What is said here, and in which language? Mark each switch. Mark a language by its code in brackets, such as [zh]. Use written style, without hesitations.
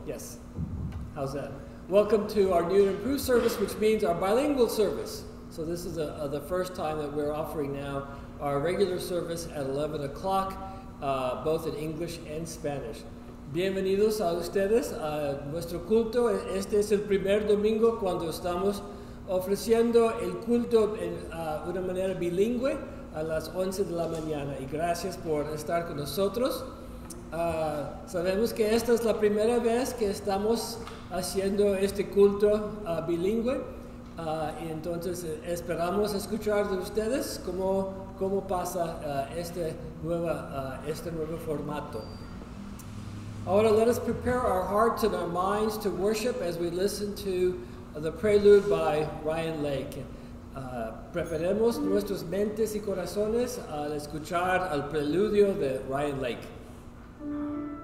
[en] Yes, how's that? Welcome to our new and improved service, which means our bilingual service. So this is the first time that we're offering now our regular service at 11 o'clock, both in English and Spanish. [es] Bienvenidos a ustedes a nuestro culto. Este es el primer domingo cuando estamos ofreciendo el culto en una manera bilingüe a las 11 de la mañana. Y gracias por estar con nosotros. Sabemos que esta es la primera vez que estamos haciendo este culto bilingüe. Y entonces esperamos escuchar de ustedes cómo pasa este nuevo formato. [en] Ahora, let us prepare our hearts and our minds to worship as we listen to the prelude by Ryan Lake. [es] Preparemos nuestras mentes y corazones al escuchar el preludio de Ryan Lake.